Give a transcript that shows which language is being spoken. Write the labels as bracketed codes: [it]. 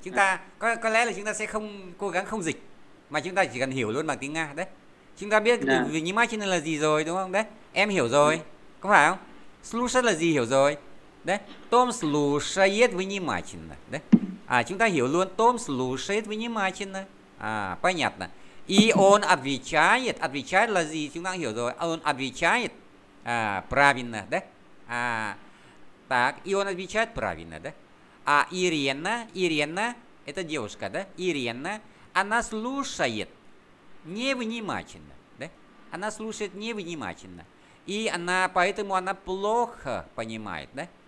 [vi] Chúng ta có lẽ là chúng ta sẽ không cố gắng không dịch mà chúng ta chỉ cần hiểu luôn bằng tiếng Nga đấy. Chúng ta biết từ внимательно là gì rồi đúng không? Đấy. Em hiểu rồi. Có phải không? Слушать là gì hiểu rồi. Đấy. [ru] Том слушает внимательно, đấy. [vi] À chúng ta hiểu luôn [ru] том слушает внимательно. [vi] À, [ru] понятно. И он отвечает. Отвечает [vi] là gì? Chúng ta hiểu rồi. [ru] Он отвечает. À, правильно, да? À, так, и он отвечает правильно, да? А Ирена, Ирена, это девушка, да? Ирена, она слушает невнимательно, да? Она слушает невнимательно. И она, поэтому она плохо понимает, да?